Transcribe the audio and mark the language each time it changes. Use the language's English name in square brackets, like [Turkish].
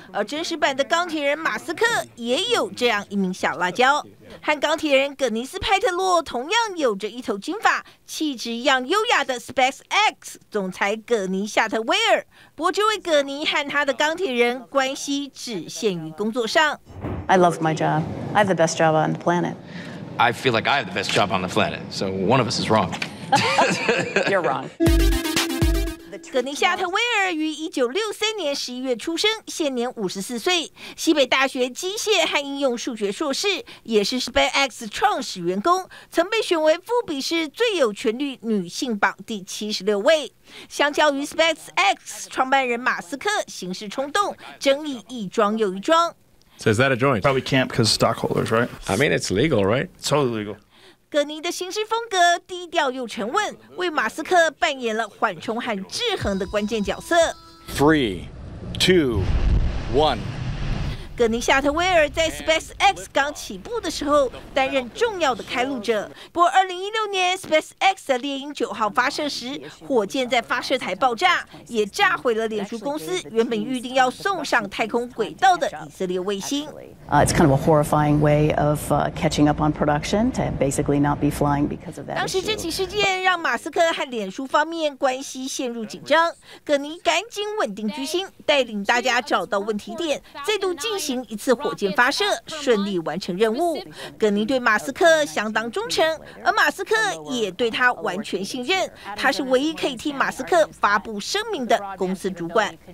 [Chinese] 而真实版的钢铁人马斯克也有这样一名小辣椒，和钢铁人葛尼斯派特洛同样有着一头金发、气质一样优雅的 SpaceX 总裁葛尼夏特威尔。不过，这位葛尼和他的钢铁人关系只限于工作上。 [English] I love my job. I have the best job on the planet. I feel like I have the best job on the planet, so one of us is wrong. You're wrong. [Chinese] 葛尼夏特威尔于1963年11月出生，现年54岁，西北大学机械和应用数学硕士，也是 SpaceX 创始员工，曾被选为富比士最有权力女性榜第76位。相较于 SpaceX 创办人马斯克，行事冲动，争议一桩又一桩。 [English] So is that a joint? Probably can't because stockholders, right? I mean, it's legal, right? Totally legal. [Chinese] 葛尼的行事风格低调又沉稳，为马斯克扮演了缓冲和制衡的关键角色。 [English] Three, two, one. [Chinese] 葛尼夏特威尔在 SpaceX 刚起步的时候担任重要的开路者。不过2016年 SpaceX 的猎鹰9号发射时，火箭在发射台爆炸，也炸毁了脸书公司原本预定要送上太空轨道的以色列卫星。 [English] It's kind of a horrifying way of catching up on production to basically not be flying because of that. [Chinese] 当时这起事件让马斯克和脸书方面关系陷入紧张，葛尼赶紧稳定军心，带领大家找到问题点，再度进行一次火箭发射，顺利完成任务。葛尼对马斯克相当忠诚，而马斯克也对他完全信任，他是唯一可以替马斯克发布声明的公司主管。